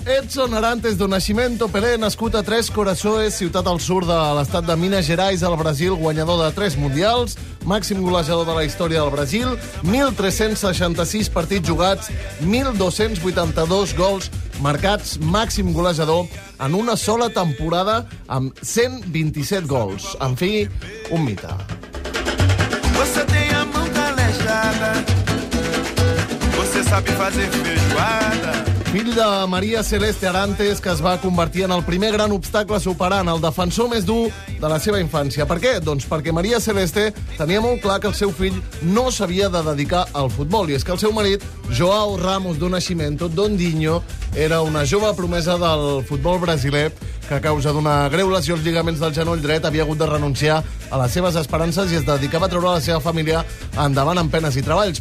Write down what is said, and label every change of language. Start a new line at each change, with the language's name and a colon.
Catalan: Edson Arantes do Nascimento, Pelé, nascut a Tres Corações, ciutat al sur de l'estat de Minas Gerais, al Brasil, guanyador de 3 mundials, màxim golejador de la història del Brasil, 1.366 partits jugats, 1.282 gols marcats, màxim golejador en una sola temporada amb 127 gols. En fi, un mite.
Portuguese: Você tem a mão calejada, você sabe fazer feijoada.
Catalan: Fill de Maria Celeste Arantes, que es va convertir en el primer gran obstacle superant el defensor més dur de la seva infància. Per què? Doncs perquè Maria Celeste tenia molt clar que el seu fill no s'havia de dedicar al futbol. I és que el seu marit, João Ramos do Nascimento, Dondinho, era una jove promesa del futbol brasiler que a causa d'una greu lesió als lligaments del genoll dret havia hagut de renunciar a les seves esperances i es dedicava a treure la seva família endavant amb penes i treballs.